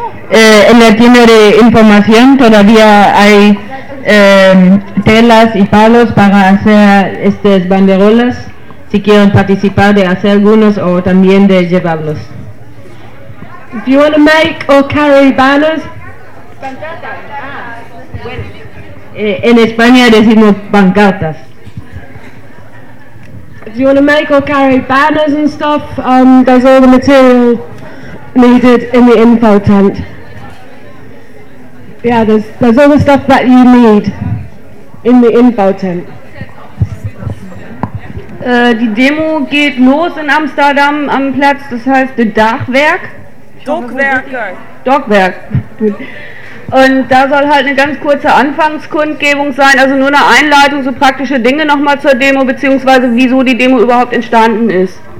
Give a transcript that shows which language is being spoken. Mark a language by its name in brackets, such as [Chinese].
[Spanish] En la tienda de información todavía hay telas y palos para hacer estas banderolas, si quieren participar de hacer algunos o también de llevarlos. [English] If you want to make or carry banners? [Spanish] En España decimos pancartas. [English] If you want to make or carry banners and stuff, there's all the material needed in the info tent. Yeah, there's all the stuff that you need in the info tent. [German] Die Demo geht los in Amsterdam am Platz, das heißt de Dachwerk. Dockwerk. Und da soll halt eine ganz kurze Anfangskundgebung sein, also nur eine Einleitung, so praktische Dinge nochmal zur Demo, beziehungsweise wieso die Demo überhaupt entstanden ist.